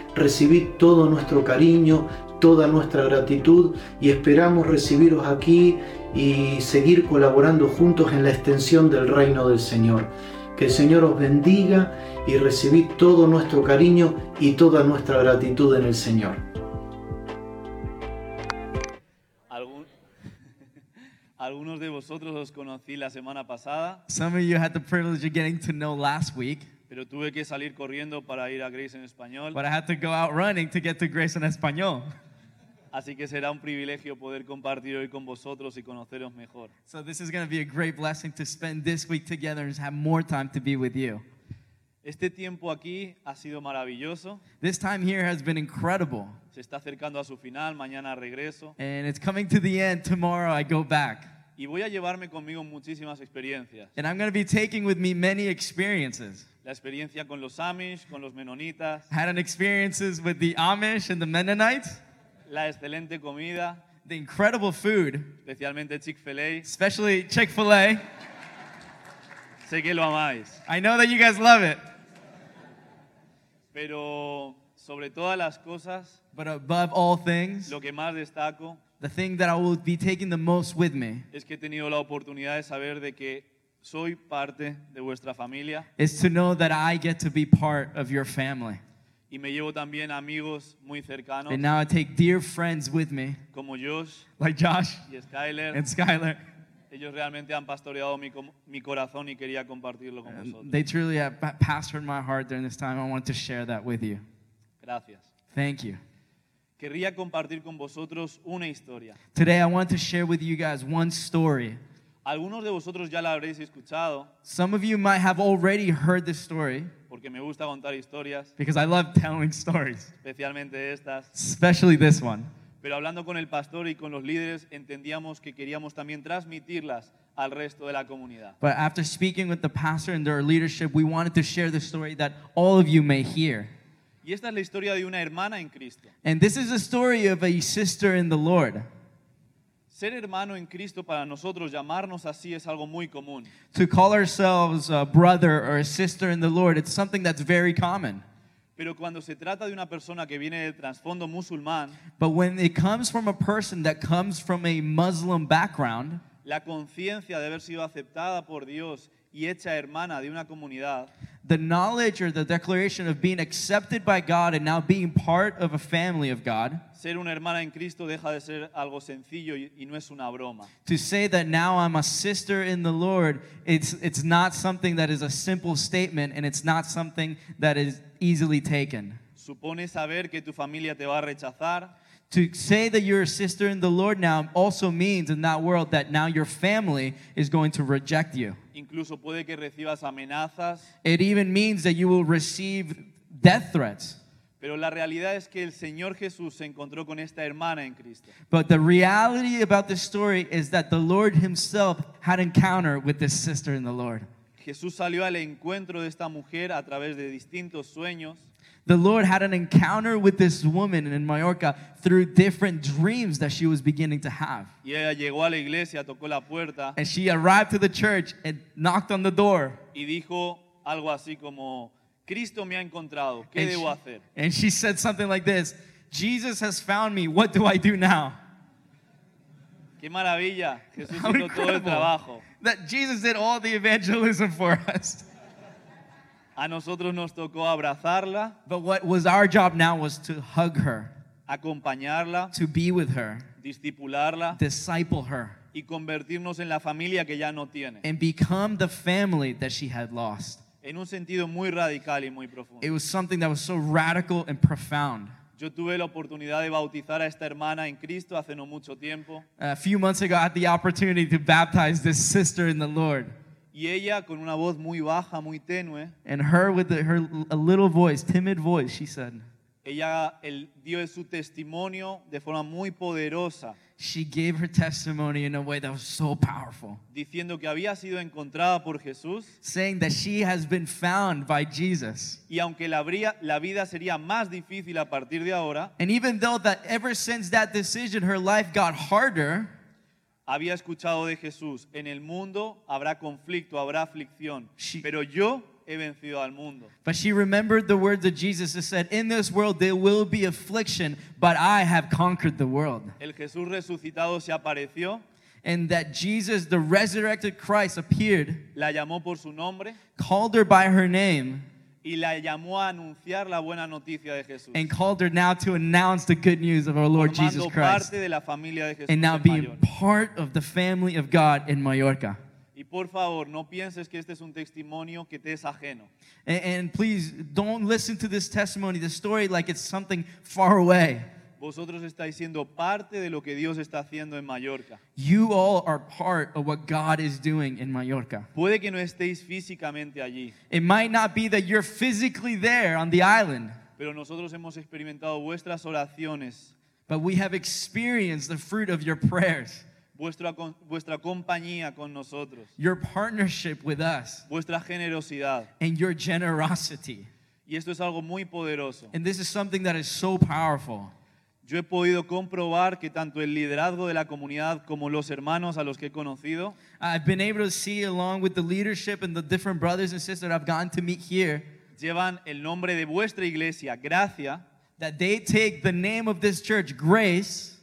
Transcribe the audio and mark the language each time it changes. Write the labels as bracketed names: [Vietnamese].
[Spanish] Recibid todo nuestro cariño, toda nuestra gratitud, y esperamos recibiros aquí y seguir colaborando juntos en la extensión del reino del Señor. Que el Señor os bendiga y recibid todo nuestro cariño y toda nuestra gratitud en el Señor. Algunos de vosotros os conocí la semana pasada. [English] Some of you had the privilege of getting to know last week. [Spanish] Pero tuve que salir corriendo para ir a Grace en español. [English] But I had to go out running to get to Grace en español. [Spanish] Así que será un privilegio poder compartir hoy con vosotros y conoceros mejor. [English] So this is going to be a great blessing to spend this week together and have more time to be with you. [Spanish] Este tiempo aquí ha sido maravilloso. [English] This time here has been incredible. [Spanish] Se está acercando a su final, mañana regreso. [English] And it's coming to the end, tomorrow I go back. [Spanish] Y voy a llevarme conmigo muchísimas experiencias. [English] And I'm going to be taking with me many experiences. [Spanish] La experiencia con los Amish, con los Menonitas. [English] Had an experiences with the Amish and the Mennonites. [Spanish] La excelente comida. [English] The incredible food. [Spanish] Especialmente Chick-fil-A. [English] Especially Chick-fil-A. [Spanish] Sé que lo amáis. [English] I know that you guys love it. [Spanish] Pero sobre todas las cosas, [English] but above all things, [Spanish] lo que más destaco, [English] the thing that I will be taking the most with me, [Spanish] es que he tenido la oportunidad de saber de que soy parte de vuestra familia, [English] is to know that I get to be part of your family. [Spanish] Y me llevo también amigos muy cercanos, [English] and now I take dear friends with me, [Spanish] como Josh, [English] like Josh [Spanish] y Skyler, [English] and Skyler. [Spanish] Ellos realmente han pastoreado mi corazón y quería compartirlo con vosotros. [English] They truly have pastored my heart during this time. I want to share that with you. [Spanish] Gracias. [English] Thank you. [Spanish] Quería compartir con vosotros una historia. [English] Today I want to share with you guys one story. [Spanish] Algunos de vosotros ya la habréis escuchado. [English] Some of you might have already heard this story. [Spanish] Porque me gusta contar historias. [English] Because I love telling stories. [Spanish] Especialmente estas. [English] Especially this one. [Spanish] Pero hablando con el pastor y con los líderes, entendíamos que queríamos también transmitirlas al resto de la comunidad. [English] But after speaking with the pastor and their leadership, we wanted to share the story that all of you may hear. [Spanish] Y esta es la historia de una hermana en Cristo. [English] And this is the story of a sister in the Lord. [Spanish] Ser hermano en Cristo para nosotros, llamarnos así, es algo muy común. [English] To call ourselves a brother or a sister in the Lord, it's something that's very common. [Spanish] Pero cuando se trata de una persona que viene del trasfondo musulmán, [English] but when it comes from a person that comes from a Muslim background, [Spanish] la conciencia de haber sido aceptada por Dios y hecha hermana de una comunidad, [English] the knowledge or the declaration of being accepted by God and now being part of a family of God, [Spanish] ser una hermana en Cristo deja de ser algo sencillo y no es una broma. [English] To say that now I'm a sister in the Lord, it's not something that is a simple statement and it's not something that is easily taken. [Spanish] Supone saber que tu familia te va a rechazar. [English] To say that you're a sister in the Lord now also means in that world that now your family is going to reject you. [Spanish] Incluso puede que recibas amenazas. [English] It even means that you will receive death threats. [Spanish] Pero la realidad es que el Señor Jesús se encontró con esta hermana en Cristo. [English] But the reality about this story is that the Lord himself had an encounter with this sister in the Lord. [Spanish] Jesús salió al encuentro de esta mujer a través de distintos sueños. [English] The Lord had an encounter with this woman in Mallorca through different dreams that she was beginning to have. [Spanish] Y ella llegó a la iglesia, tocó la puerta, [English] and she arrived to the church and knocked on the door. [Spanish] Y dijo algo así como, Cristo me ha encontrado, ¿qué debo hacer? [English] And she said something like this, Jesus has found me, what do I do now? [Spanish] Qué maravilla, Jesús hizo incredible todo el trabajo. [English] That Jesus did all the evangelism for us. [Spanish] A nosotros nos tocó abrazarla. [English] But what was our job now was to hug her. [Spanish] Acompañarla. [English] To be with her. [Spanish] Discipularla. [English] Disciple her. [Spanish] Y convertirnos en la familia que ya no tiene. [English] And become the family that she had lost. [Spanish] En un sentido muy radical y muy profundo. [English] It was something that was so radical and profound. [Spanish] Yo tuve la oportunidad de bautizar a esta hermana en Cristo hace no mucho tiempo. [English] A few months ago I had the opportunity to baptize this sister in the Lord. [Spanish] Y ella con una voz muy baja, muy tenue. [English] And her with her a little voice, timid voice, she said. [Spanish] Ella dio su testimonio de forma muy poderosa. [English] She gave her testimony in a way that was so powerful. [Spanish] Diciendo que había sido encontrada por Jesús. [English] Saying that she has been found by Jesus. [Spanish] Y aunque la vida sería más difícil a partir de ahora. [English] And even though that ever since that decision her life got harder. [Spanish] Había escuchado de Jesús, en el mundo habrá conflicto, habrá aflicción, pero yo he vencido al mundo. [English] But she remembered the words of Jesus that said, in this world there will be affliction, but I have conquered the world. [Spanish] El Jesús resucitado se apareció. [English] And that Jesus, the resurrected Christ, appeared. [Spanish] La llamó por su nombre. [English] Called her by her name. [Spanish] Y la llamó a anunciar la buena noticia de Jesús. [English] And called her now to announce the good news of our Lord Jesus Christ. [Spanish] Parte de la familia de Jesús. [English] And now being part of the family of God in Mallorca. [Spanish] Y por favor, no pienses que este es un testimonio que te es ajeno. [English] And please, don't listen to this testimony, the story, like it's something far away. [Spanish] Vosotros estáis siendo parte de lo que Dios está haciendo en Mallorca. [English] You all are part of what God is doing in Mallorca. [Spanish] Puede que no estéis físicamente allí. [English] It might not be that you're physically there on the island. [Spanish] Pero nosotros hemos experimentado vuestras oraciones. [English] But we have experienced the fruit of your prayers. [Spanish] Vuestra compañía con nosotros. [English] Your partnership with us. [Spanish] Vuestra generosidad. [English] And your generosity. [Spanish] Y esto es algo muy poderoso. [English] And this is something that is so powerful. [Spanish] Yo he podido comprobar que tanto el liderazgo de la comunidad como los hermanos a los que he conocido, [English] I've been able to see along with the leadership and the different brothers and sisters I've gotten to meet here, [Spanish] llevan el nombre de vuestra iglesia, Gracia, [English] that they take the name of this church, Grace,